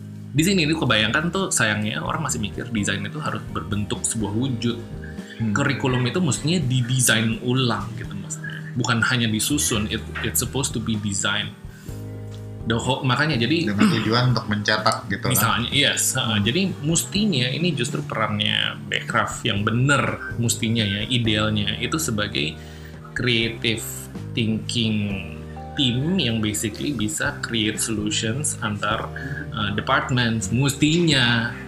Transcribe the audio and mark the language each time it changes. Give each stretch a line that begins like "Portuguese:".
Indonesian: Di sini ini kebayangkan tuh sayangnya orang masih mikir desain itu harus berbentuk sebuah wujud. Kurikulum itu mestinya didesain ulang gitu maksudnya. Bukan hanya disusun,
English: it's supposed to be designed.
Indonesian: Makanya jadi dengan tujuan untuk mencetak gitu lah. Misalnya, yes. Jadi mestinya ini justru perannya Beckcraft yang benar mestinya ya, idealnya itu sebagai
English: creative thinking team
Indonesian: yang basically bisa
English: create solutions
Indonesian: antar departments mestinya.